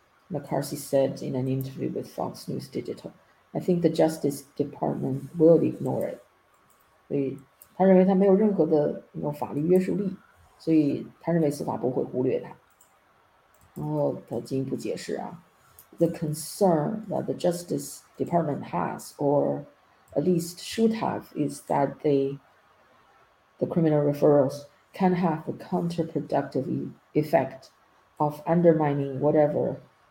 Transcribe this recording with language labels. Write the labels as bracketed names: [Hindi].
[English] McCarthy said in an interview with Fox News Digital, "I think the Justice Department will ignore it." [Chinese] 所以他认为他没有任何的那种法律约束力，所以他认为司法部会忽略他。然后他进一步解释啊，" [English] The concern that the Justice Department has, or at least should have, is that the criminal referrals can have a counterproductive effect of undermining whatever."